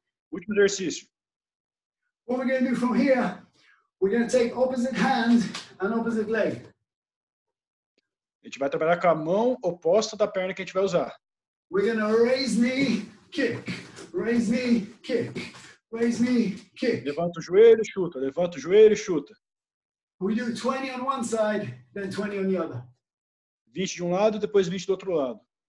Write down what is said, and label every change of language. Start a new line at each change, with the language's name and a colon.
English: What we're going to do from here, we're going to take opposite hand and opposite leg.
Portuguese: A gente vai trabalhar com a mão oposta da perna que a gente vai usar.
English: We're gonna raise knee, kick. Raise knee, kick. Raise knee, kick.
Portuguese: Levanta o joelho e chuta. Levanta o joelho e chuta.
English: We do 20 on one side, then 20 on the other.
Portuguese: 20 de um lado e depois 20 do outro lado.